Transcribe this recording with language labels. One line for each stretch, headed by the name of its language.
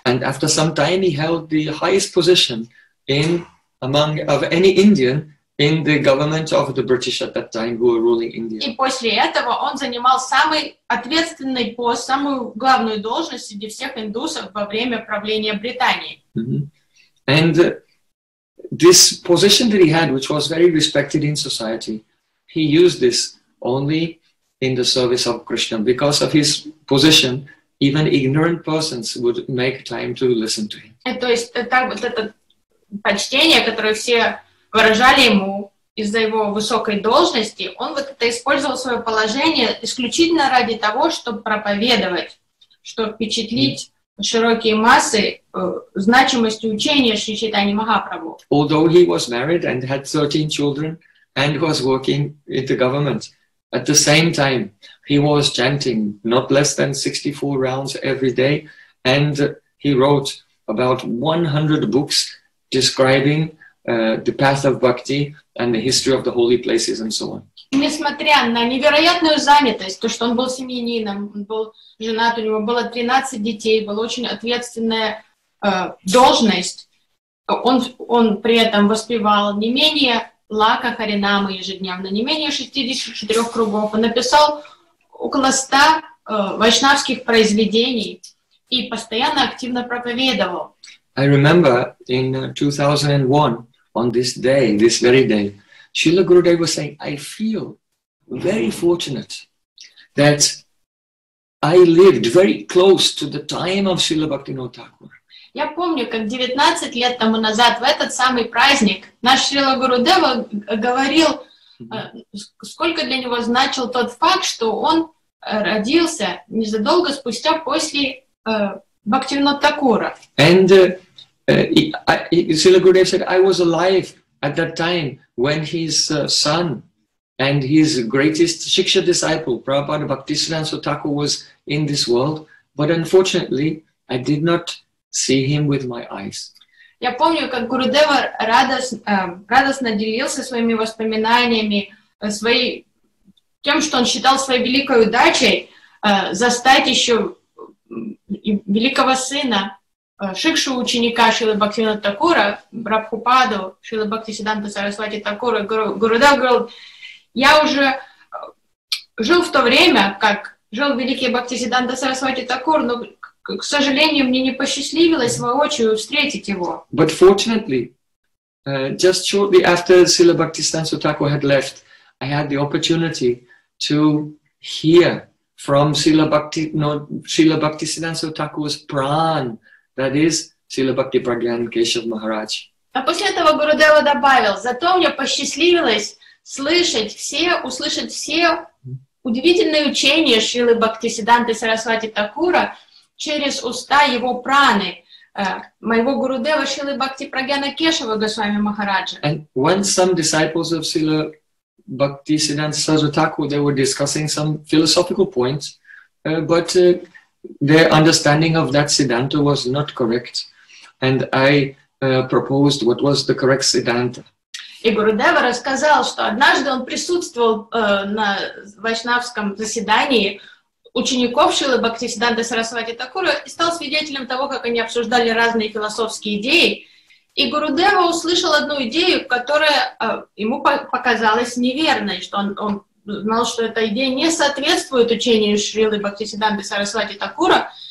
English: And after some time he held the highest position in among of any Indian in the government of the British at that time who were ruling India.
Russian: И после этого он занимал самый ответственный пост, самую главную должность среди всех индусов во время правления Британии. Mm-hmm.
English: And this position that he had, which was very respected in society, he used this only in the service of Krishna. Because of his position, even ignorant persons would make time to listen to him.
Russian: То есть так вот это почтение, которое все выражали ему из-за его высокой должности, он вот это использовал свое положение исключительно ради того, чтобы проповедовать, чтобы впечатлить широкие массы значимостью учения Шри Чайтаньи Махапрабху.
English: Although he was married and had 13 children and was working in the government, at the same time he was chanting not less than 64 rounds every day, and he wrote about 100 books describing the path of bhakti and the history of the holy places and so on.
Russian: Несмотря на невероятную занятость, то, что он был семьянином, он был женат, у него было 13 детей, была очень ответственная должность, он при этом воспевал не менее лака харинамы ежедневно, не менее 64 кругов, он написал около 100 вайшнавских произведений и постоянно активно проповедовал.
English: I remember in 2001, on this day, this very day, Srila Gurudev was saying, I feel very fortunate that I lived very close to the time of Srila Bhaktivinoda Thakur.
Russian: Я помню, как 19 лет тому назад, в этот самый праздник, наш Шрила Гурудева говорил, сколько для него значил тот факт, что он родился незадолго спустя после Бхактивинода Такура.
English: And Srila Gurudev said, I was alive at that time when his son and his greatest Shiksha disciple, Prabhupada Bhaktisiddhanta Thakur, was in this world, but unfortunately, I did not see him with my eyes.
Russian: Я помню, как Гурудева радостно делился своими воспоминаниями, тем, что он считал своей великой удачей застать еще великого сына, Шикшу ученика Шрилы Бхактивинода Такура, Прабхупаду, Шрилы Бхактисиддханта Сарасвати Такура, Гурудев говорил, я уже жил в то время, как жил великий Бхактисиддханта Сарасвати Такур, но, к сожалению, мне не посчастливилось воочию встретить его.
English: But fortunately, just shortly after Srila Bhaktisiddhanta Thakur had left, I had the opportunity to hear from Srila Bhaktisiddhanta Thakur's pran, that is, Srila Bhakti Pragyan Keshav Maharaj.
Russian: А после этого Гурудева добавил, зато мне посчастливилось услышать все удивительные учения Шрилы Бхактисиддханты Сарасвати Такура через уста его праны, моего Гурудева Шрилы Бхакти Прагьяна Кешава Госвами Махараджа.
English: And when some disciples of Srila Bhaktisiddhanta Sarasvati Thakur, they were discussing some philosophical points, but their understanding of that Siddhanta was not correct, and I proposed what was the correct Siddhanta.
Russian: И Гурудева рассказал, что однажды он присутствовал на вайшнавском заседании учеников Шрилы Бхактисиддханты Сарасвати Такура и стал свидетелем того, как они обсуждали разные философские идеи. И Гурудева услышал одну идею, которая ему показалась неверной, что он знал, что эта идея не соответствует учению Шрилы Бхактисиддханты Сарасвати Такура.